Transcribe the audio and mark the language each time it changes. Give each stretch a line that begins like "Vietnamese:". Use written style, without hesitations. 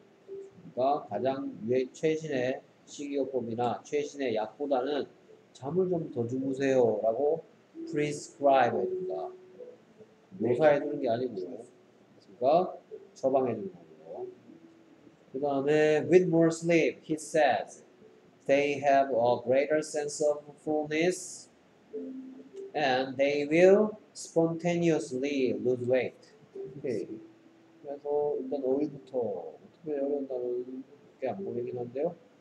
Korean: 그러니까 가장 최신의 식이요법이나 최신의 약보다는 잠을 좀 더 주무세요. 라고 prescribe 해준다. 묘사해주는 게 아니고요. 그러니까 처방해주는 거고요. 그 다음에
English: with more sleep, he says. They have a greater sense of fullness and they will spontaneously lose weight. Okay.
Korean: 그래서 일단 오일부터 어떻게 열린다는 게 안 보이긴 한데요.